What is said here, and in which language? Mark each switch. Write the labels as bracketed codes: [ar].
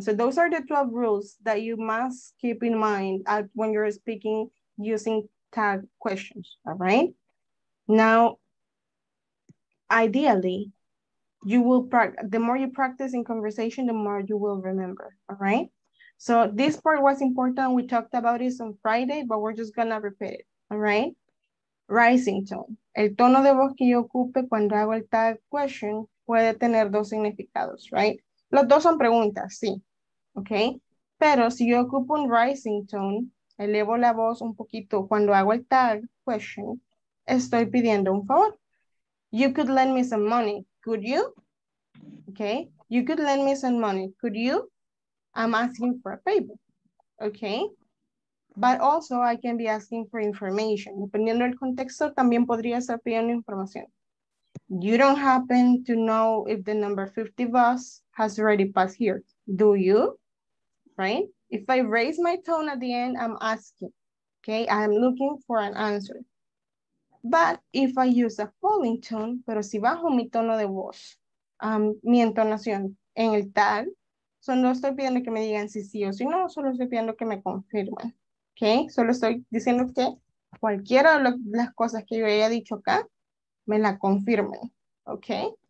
[en] So those are the 12 rules that you must keep in mind at when you're speaking using tag questions, all right? Now, ideally, you will the more you practice in conversation, the more you will remember, all right? So this part was important. We talked about this on Friday, but we're just gonna repeat it, all right? Rising tone. [es] El tono de voz que yo ocupe cuando hago el tag question puede tener dos significados, right? Los dos son preguntas, sí, okay? Pero si yo ocupo un rising tone, elevo la voz un poquito cuando hago el tag question, estoy pidiendo un favor. [en] You could lend me some money, could you? Okay, you could lend me some money, could you? I'm asking for a favor, okay? But also I can be asking for information. [es] Dependiendo del contexto, también podría estar pidiendo información. [en] You don't happen to know if the number 50 bus has already passed here, do you? Right? If I raise my tone at the end, I'm asking, okay? I'm looking for an answer. But if I use a falling tone, [es] pero si bajo mi tono de voz, mi entonación en el tag, so no estoy pidiendo que me digan si sí o si no, solo estoy pidiendo que me confirmen, okay? Solo estoy diciendo que cualquiera de las cosas que yo haya dicho acá, me la confirmen, okay?